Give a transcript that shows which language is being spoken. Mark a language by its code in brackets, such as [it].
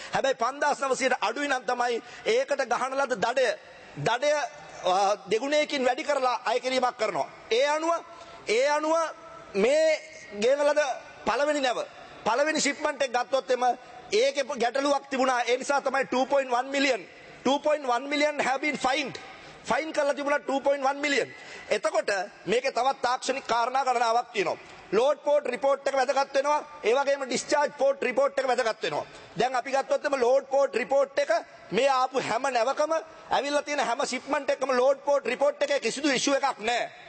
[si] හැබැයි 5900ට අඩුයි නම් තමයි ඒකට ගහන ලද දඩය දෙගුණයකින් වැඩි කරලා අය කිරීමක් කරනවා. ඒ අනුව මේ ගේන ලද පළවෙනි ෂිප්මන්ට් එක ගත්තොත් එම ඒකේ ගැටලුවක් තිබුණා. ඒ නිසා තමයි [en] 2.1 million have been fined. [si] Fine කරලා තිබුණා 2.1 million. එතකොට මේකේ තවත් තාක්ෂණික කාරණා ගණනාවක් තියෙනවා. ලෝඩ් පෝට් රිපෝර්ට් එක වැදගත් වෙනවා. ඒ වගේම ඩිස්චාර්ජ් පෝට් රිපෝර්ට් එක වැදගත් වෙනවා. දැන් අපි ගත්තොත් එම ලෝඩ් පෝට් රිපෝර්ට් එක මේ ආපු හැම නැවකම ඇවිල්ලා තියෙන හැම ෂිප්මන්ට් එකම ලෝඩ් පෝට් රිපෝර්ට් එකේ කිසිදු ඉෂු එකක් නැහැ.